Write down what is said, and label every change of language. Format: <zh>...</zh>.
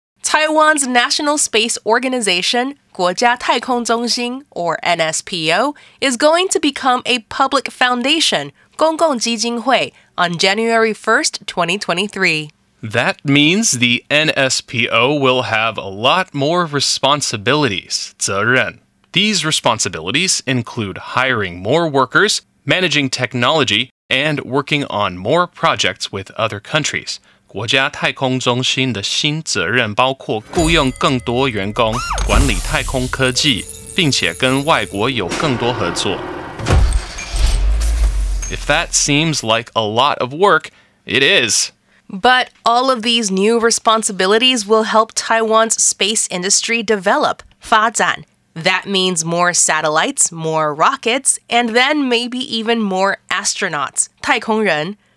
<en>Taiwan's National Space Organization,</en> <zh>国家太空中心,</zh> <en>or NSPO, is going to become a public foundation,</en> <zh>公共基金会</zh> <en>on January 1st, 2023. That means the NSPO will have a lot more responsibilities,</en> <zh>责任.</zh> <en>These responsibilities include hiring more workers, managing technology, and working on more projects with other countries.</en> <zh>国家太空中心的新责任包括雇用更多员工，管理太空科技，并且跟外国有更多合作。</zh> <en>If that seems like a lot of work, it is. But all of these new responsibilities will help Taiwan's space industry develop,</en> <zh>发展.</zh> <en>That means more satellites, more rockets, and then maybe even more astronauts,</en> <zh>太空人.</zh>